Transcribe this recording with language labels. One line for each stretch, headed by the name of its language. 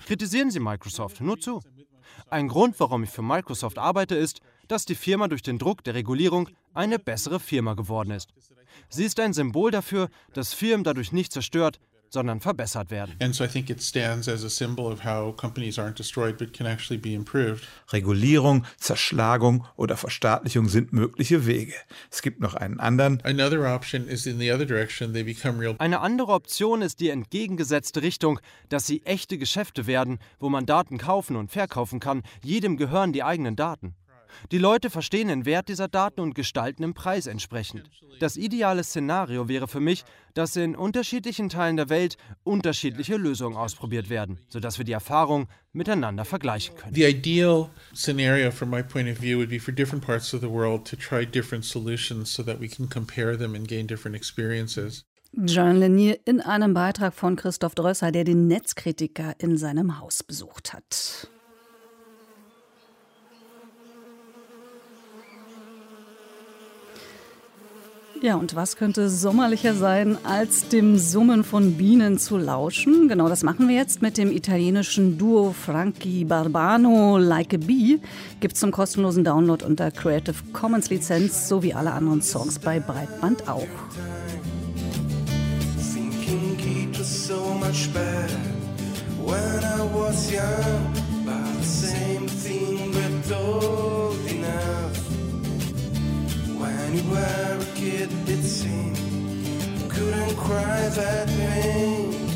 German: Kritisieren Sie Microsoft, nur zu. Ein Grund, warum ich für Microsoft arbeite, ist, dass die Firma durch den Druck der Regulierung eine bessere Firma geworden ist. Sie ist ein Symbol dafür, dass Firmen dadurch nicht zerstört, sondern verbessert werden.
English: And so I think it stands as a symbol of how companies aren't destroyed but can actually be improved.
German: Regulierung, Zerschlagung oder Verstaatlichung sind mögliche Wege. Es gibt noch einen anderen.
English: Another option is in the other direction, they become real.
German: Eine andere Option ist die entgegengesetzte Richtung, dass sie echte Geschäfte werden, wo man Daten kaufen und verkaufen kann. Jedem gehören die eigenen Daten. Die Leute verstehen den Wert dieser Daten und gestalten den Preis entsprechend. Das ideale Szenario wäre für mich, dass in unterschiedlichen Teilen der Welt unterschiedliche Lösungen ausprobiert werden, sodass wir die Erfahrung miteinander vergleichen können.
English: The ideal scenario from my point of view would be for different parts of the world to try different solutions so that we can compare them and gain different experiences.
German: Jaron Lanier in einem Beitrag von Christoph Drösser, der den Netzkritiker in seinem Haus besucht hat. Ja, und was könnte sommerlicher sein, als dem Summen von Bienen zu lauschen? Genau das machen wir jetzt mit dem italienischen Duo Franky Barbano, Like a Bee. Gibt's zum kostenlosen Download unter Creative Commons Lizenz, so wie alle anderen Songs bei Breitband auch.
English: Thinking it was so much better when I was young, but the same thing but old enough. When you were a kid, it seemed you couldn't cry that pain.